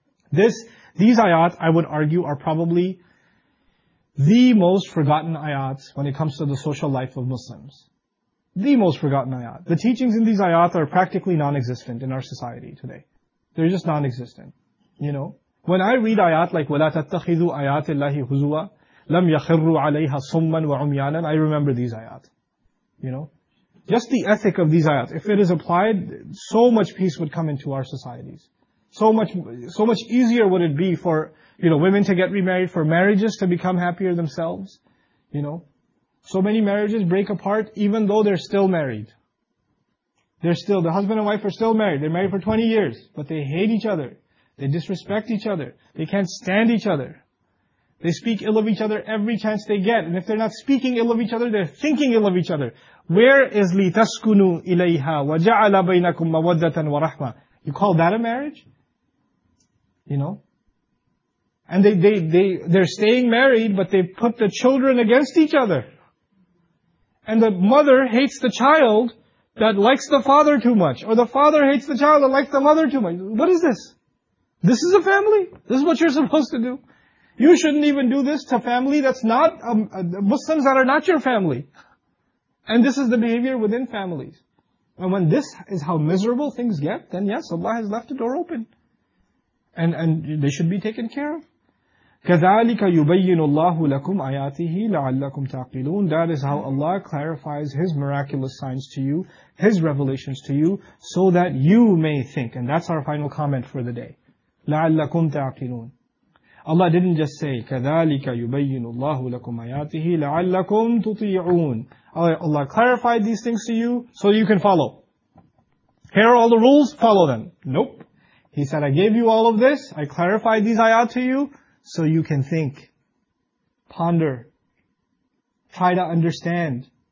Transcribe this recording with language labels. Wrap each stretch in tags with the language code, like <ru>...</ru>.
<en>These ayat, I would argue, are probably the most forgotten ayat when it comes to the social life of Muslims. The most forgotten ayat. The teachings in these ayat are practically non-existent in our society today. They're just non-existent. You know? When I read ayat like,</en> <ar>وَلَا تَتَّخِذُوا آيَاتِ اللَّهِ هُزُوَا لَمْ يَخِرُّوا عَلَيْهَا صُمًّا وَعُمْيَانًا,</ar> <en>I remember these ayat. You know? Just the ethic of these ayat. If it is applied, so much peace would come into our societies. So much easier would it be for, you know, women to get remarried, for marriages to become happier themselves. You know? So many marriages break apart even though they're still married. The husband and wife are still married. They're married for 20 years, but they hate each other. They disrespect each other. They can't stand each other. They speak ill of each other every chance they get. And if they're not speaking ill of each other, they're thinking ill of each other. Where is</en> <ar>لِتَسْكُنُوا إِلَيْهَا وَجَعَلَ بَيْنَكُمْ مَوَدَّةً وَرَحْمَةً?</ar> <en>You call that a marriage? You know? And they're staying married, but they put the children against each other. And the mother hates the child that likes the father too much. Or the father hates the child that likes the mother too much. What is this? This is a family. This is what you're supposed to do. You shouldn't even do this to family that's not, Muslims that are not your family. And this is the behavior within families. And when this is how miserable things get, then yes, Allah has left the door open. And they should be taken care of.</en> <ar>كَذَٰلِكَ يُبَيِّنُ اللَّهُ لَكُمْ آيَاتِهِ لَعَلَّكُمْ تَعْقِلُونَ.</ar> <en>That is how Allah clarifies His miraculous signs to you, His revelations to you, so that you may think. And that's our final comment for the day.</en> <ar>لَعَلَّكُمْ تَعْقِلُونَ.</ar> <en>Allah didn't just say,</en> <ar>كَذَٰلِكَ يُبَيِّنُ اللَّهُ لَكُمْ آيَاتِهِ لَعَلَّكُمْ تُطِيعُونَ.</ar> <en>Allah clarified these things to you so you can follow. Here are all the rules, follow them. Nope. He said, I gave you all of this, I clarified these ayat to you, so you can think, ponder, try to understand.</en>